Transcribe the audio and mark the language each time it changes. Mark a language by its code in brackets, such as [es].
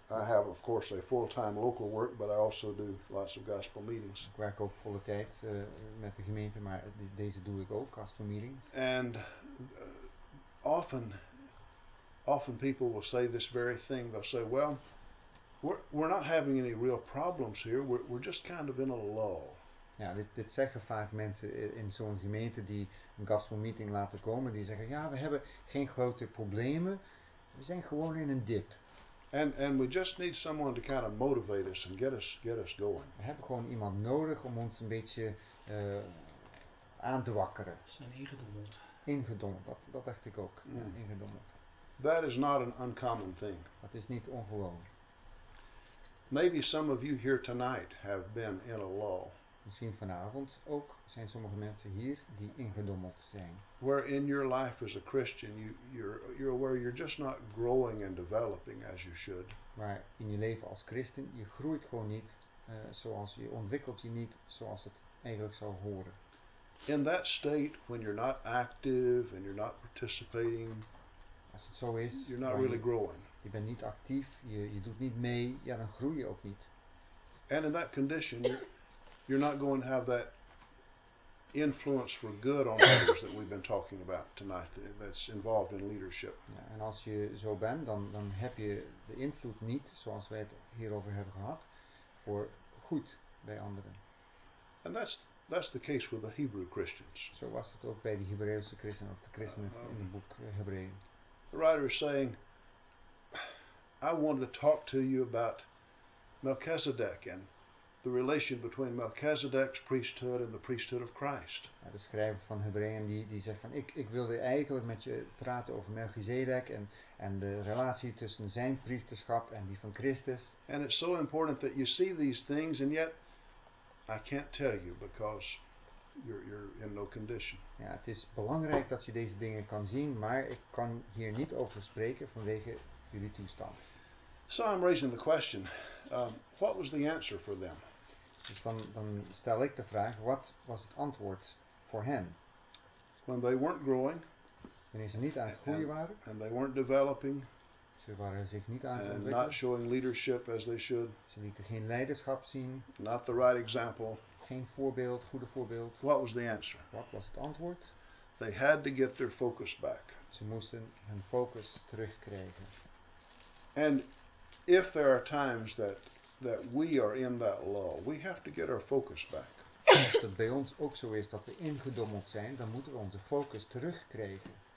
[en] I have, of course, a full-time local work, but I also do lots of gospel meetings. [nl] Ik werk ook volle tijd met de gemeente, maar deze doe ik ook, gospel meetings. [en] And often people will say this very thing. They'll say, well, we're not having any real problems here. We're just kind of in a lull. [nl] Ja, dit zeggen vaak mensen in zo'n gemeente die een gospel meeting laten komen. Die zeggen, ja, we hebben geen grote problemen. We zijn gewoon in een dip. [en] And we just need someone to kind of motivate us and get us going. [nl] We hebben gewoon iemand nodig om ons een beetje aan te wakkeren. We zijn ingedommeld. Ingedommeld, dat dacht ik ook. Mm. Ja, ingedommeld. [en] That is not an uncommon thing. [nl] Dat is niet ongewoon. [en] Maybe some of you here tonight have been in a lull. [nl] Misschien vanavond ook zijn sommige mensen hier die ingedommeld zijn. [en] Where in your life as a Christian, you're aware you're just not growing and developing as you should. [nl] Maar in je leven als christen, je groeit gewoon niet zoals je ontwikkelt je niet zoals het eigenlijk zou horen. [en] In that state, when you're not active and you're not participating, [nl] als het zo is, [en] you're not really growing. [nl] Je bent niet actief, je doet niet mee, ja, dan groei je ook niet. [en] And in that condition, you're not going to have that influence for good on others that we've been talking about tonight, that's involved in leadership. [nl] Ja, en als je zo bent, dan heb je de invloed niet, zoals wij het hierover hebben gehad, voor goed bij anderen. [en] And that's the case with the Hebrew Christians. [nl] Zo was het ook bij de Hebreeuwse christenen, of de christenen in het boek Hebreeën. [en] The writer is saying, I wanted to talk to you about Melchizedek and the relation between Melchizedek's priesthood and the priesthood of Christ. [nl] Ja, de schrijver van Hebreeën die zegt van ik wilde eigenlijk met je praten over Melchizedek en de relatie tussen zijn priesterschap en die van Christus. [en] And it's so important that you see these things and yet I can't tell you because you're in no condition. [nl] Ja, het is belangrijk dat je deze dingen kan zien, maar ik kan hier niet over spreken vanwege jullie toestand. [en] So I'm raising the question, what was the answer for them? [nl] Dus dan stel ik de vraag, wat was het antwoord voor hen? [en] When they weren't growing. [nl] Wanneer ze niet aan het groeien waren. [en] And they weren't developing. [nl] Ze waren zich niet aan het ontwikkelen. [en] And not showing leadership as they should. [nl] Ze lieten geen leiderschap zien. [en] Not the right example. [nl] Geen voorbeeld, goede voorbeeld. [en] What was the answer? [nl] Wat was het antwoord? [en] They had to get their focus back. [nl] Ze moesten hun focus terugkrijgen. [en] And if there are times that we are in that lull, we have to get our focus back. [nl] Als het bij ons ook zo is dat we ingedommeld zijn, dan moeten we onze focus terugkrijgen.